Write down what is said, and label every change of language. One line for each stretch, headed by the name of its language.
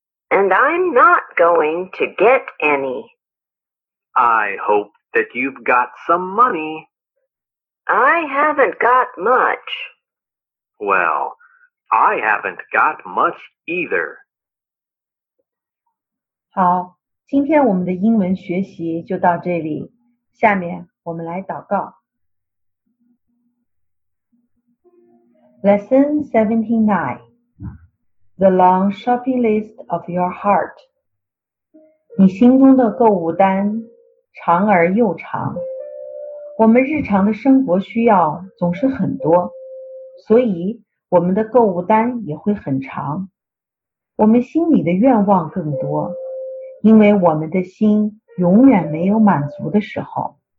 English: And I'm not going to get any. I hope that you've got some money. I haven't got much. Well, I haven't got much either.
Chinese: 好，今天我们的英文学习就到这里。下面我们来祷告。
English: Lesson 79. The long shopping list of your heart.
Chinese: 你心中的购物单长而又长。我们日常的生活需要总是很多，所以我们的购物单也会很长。我们心里的愿望更多，因为我们的心永远没有满足的时候。